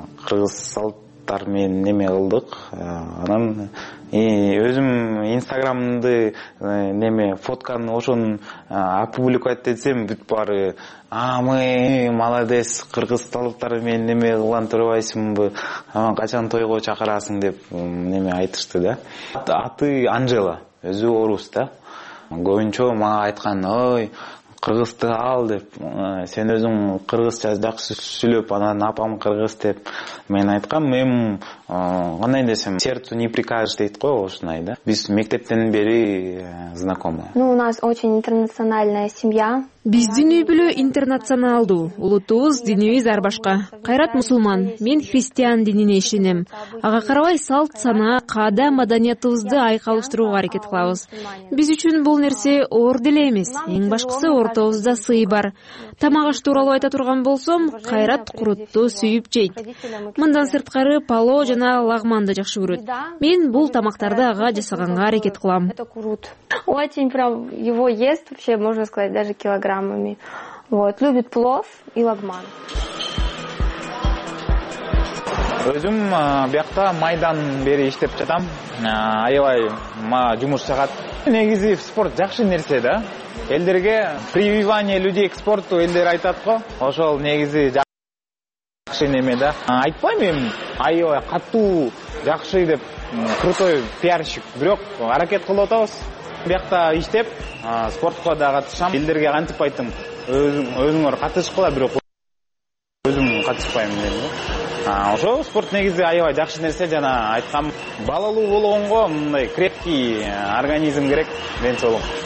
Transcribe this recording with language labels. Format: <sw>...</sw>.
<ky>Кыргыз салттар мен неме кылдык. Анан өзүм инстаграмды неме фотканы ошону опубликовать десем бүт баары</ky> <ru>а мы молодец,</ru> <ky>кыргыз салттар мен неме кылган турбайсыңбы, анан качан тойго чакырасың деп неме айтышты да. Аты Анжела, өзү орус да. Көбүнчө мага айткан ой кыргызды ал деп, сен өзүң кыргызча жакшы сүйлөп, анан апам кыргыз деп мен айткам. Мен кандай десем,</ky> <ru>сердцу не прикажешь</ru> <ky>дейт го, ушундай да. Биз мектептен бери знакомы.</ky> <ru>Ну, у нас очень интернациональная семья.</ru> <ky>Биздин үй бүлө интернационалдуу. Улутубуз динибиз ар башка. Кайрат мусулман, мен христиан динине ишенем. Ага карабай салт санаа, каада маданиятыбызды айкалыштырууга аракет кылабыз. Биз үчүн бул нерсе оор деле эмес. Эң башкысы ортобузда сый бар. Тамак аш тууралуу айта турган болсом, Кайрат курутту сүйүп жейт. Мындан сырткары пало жана лагманды жакшы көрөт. Мен бул тамактарды ага жасаганга аракет кылам.</ky> <ru>Очень прям его ест, вообще можно сказать, даже килограммами. Вот, любит плов и лагман.</ru> <ky>Өзүм биякта майдан бери иштеп жатам. Аябай мага жумуш жагат. Негизи спорт жакшы нерсе да. Элдерге</ky> <ru>прививание людей к спорту</ru> <ky>элдер айтат го. Ошол негизи жакшы неме да. Айтпайм эми аябай катуу жакшы деп</ky> <ru>крутой пиарщик.</ru> <ky>Бирок аракет кылып атабыз. Биякта иштеп спортко да катышам. Элдерге кантип айттым, өзүңөр катышкыла, бирок өзүм катышпайм дедим да. Ошо спорт негизи аябай жакшы нерсе, жана айткам балалуу болгонго мындай</ky> <ru>крепкий организм</ru> <ky>керек, ден соолук.</ky>